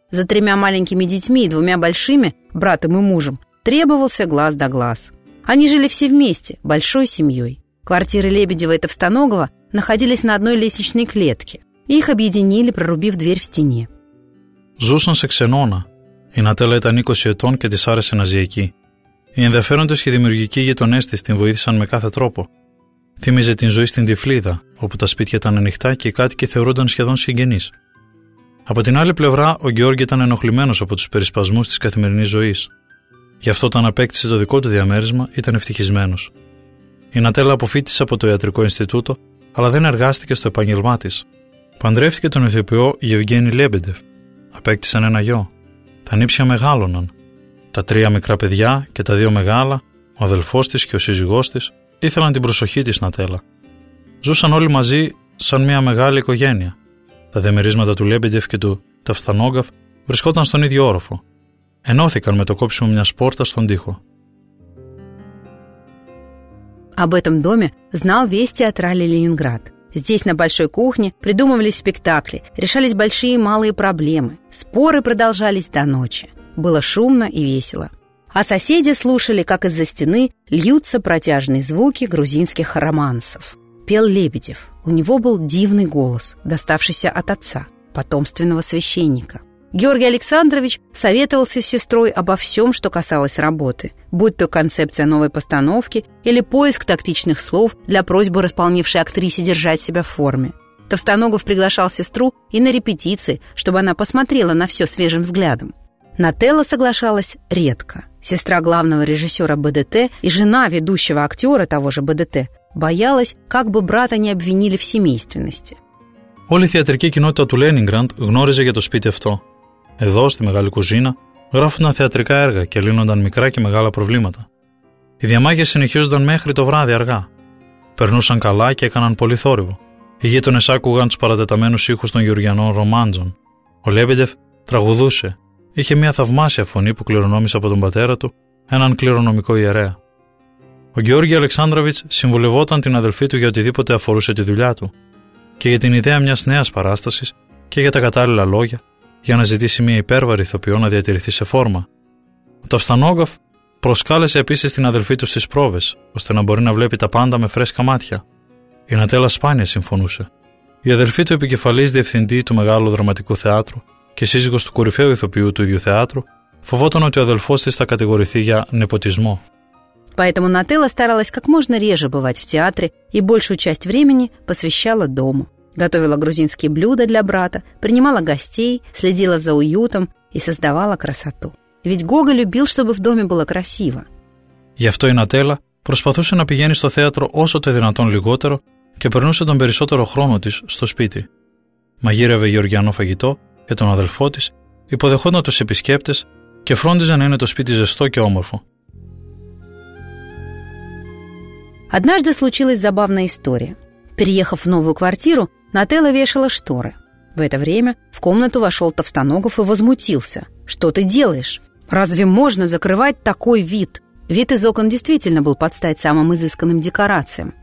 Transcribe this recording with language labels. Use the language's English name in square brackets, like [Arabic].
[Russian] За тремя маленькими детьми и двумя большими, братом и мужем, требовался глаз да глаз. Они жили все вместе, большой семьей. Квартиры Лебедева и Товстоногова находились на одной лестничной клетке. Их объединили, прорубив дверь в стене. [Greek] Ζούσαν σε ξενώνα. Η Νατέλα ήταν 20 ετών και της άρεσε να ζει εκεί. Οι ενδιαφέροντες και δημιουργικοί γειτονές της την βοήθησαν με κάθε τρόπο. Θύμιζε την ζωή στην Τυφλίδα, όπου τα σπίτια ήταν ανοιχτά και οι κάτοικοι θεωρούνταν σχεδόν συγγενείς. Από την άλλη πλευρά, ο Γιώργη ήταν ενοχλημένος από τους περισπασμούς της καθημερινής ζωής. Γι' αυτό, όταν απέκτησε το δικό του διαμέρισμα, ήταν ευτυχισμένος. Η Νατέλα αποφύτησε από το Ιατρικό Ινστιτούτο, αλλά δεν εργάστηκε στο επάγγελμά της. Παντρεύτηκε τον ηθοποιό Γευγένη Λέμπεντεφ. Απέκτησαν ένα γιο. Τα νύψια μεγάλωναν. Τα τρία μικρά παιδιά και τα δύο μεγάλα, ο αδελφός της και ο σύζυγός της, ήθελαν την προσοχή της Νατέλα. Ζούσαν όλοι μαζί σαν μια μεγάλη οικογένεια. Τα διαμερίσματα του Λέμπεντεφ και του Ταφστανόγκαφ βρισκόταν στον ίδιο όροφο. Ενώθηκαν με το κόψιμο μιας πόρτας στον τοίχο. [Russian] Об этом доме знал весь театральный Ленинград. Здесь на большой кухне придумывались спектакли, решались большие и малые проблемы. Споры продолжались до ночи. Было шумно и весело. А соседи слушали, как из-за стены льются протяжные звуки грузинских романсов. Пел Лебедев. У него был дивный голос, доставшийся от отца, потомственного священника. Георгий Александрович советовался с сестрой обо всем, что касалось работы, будь то концепция новой постановки или поиск тактичных слов для просьбы располневшей актрисе держать себя в форме. Товстоногов приглашал сестру и на репетиции, чтобы она посмотрела на все свежим взглядом. Нателла соглашалась редко. Сестра главного режиссера БДТ и жена ведущего актера того же БДТ боялась, как бы брата не обвинили в семейственности. [Greek] Όλη η θεατρική κοινότητα του Λένιγκραντ γνώριζε για το σπίτι αυτό. Εδώ, στη μεγάλη κουζίνα, γράφονταν θεατρικά έργα και λύνονταν μικρά και μεγάλα προβλήματα. Οι διαμάχες συνεχίζονταν μέχρι το βράδυ αργά. Περνούσαν καλά και έκαναν πολύ θόρυβο. Οι γείτονες άκουγαν τους παρατεταμένους ήχους των Γεωργιανών Ρομάντζων. Ο Λέμπεντεφ τραγουδούσε. Είχε μια θαυμάσια φωνή που κληρονόμησε από τον πατέρα του, έναν κληρονομικό ιερέα. Ο Γιώργη Αλεξάνδραβιτς συμβουλευόταν την αδελφή του για οτιδήποτε αφορούσε τη δουλειά του και για την ιδέα μιας νέας παράστασης και για τα κατάλληλα λόγια για να ζητήσει μια υπέρβαρη ηθοποιό να διατηρηθεί σε φόρμα. Ο Ταφστανόγκαφ προσκάλεσε επίσης την αδελφή του στις πρόβες, ώστε να μπορεί να βλέπει τα πάντα με φρέσκα μάτια. Η Νατέλα σπάνια συμφωνούσε. Η αδελφή του επικεφαλής διευθυντή του Μεγάλου Δραματικού Θεάτρου και σύζυγος του κορυφαίου ηθοποιού του ίδιου θεάτρου φοβόταν ότι ο αδελφός της θα κατηγορηθεί για νεποτισμό. [Russian] Поэтому Нателла старалась как можно реже бывать в театре и большую часть времени посвящала дому. Готовила грузинские блюда для брата, принимала гостей, следила за уютом и создавала красоту. Ведь Гоголь любил, чтобы в доме было красиво. [Greek] Γι' αυτό η Νατέλα προσπαθούσε να πηγαίνει στο θέατρο όσο το δυνατόν λιγότερο και περνούσε τον περισσότερο χρόνο της στο σπίτι. Μαγείρευε γεωργιανό φαγητό για τον αδελφό της, υποδεχόταν τους επισκέπτες και φρόντιζε να είναι το σπίτι ζεστό και όμορφο. [Russian] Однажды случилась забавная история. Переехав в новую квартиру, Нателла вешала шторы. В это время в комнату вошел Товстоногов и возмутился. «Что ты делаешь? Разве можно закрывать такой вид?» Вид из окон действительно был под стать самым изысканным декорациям.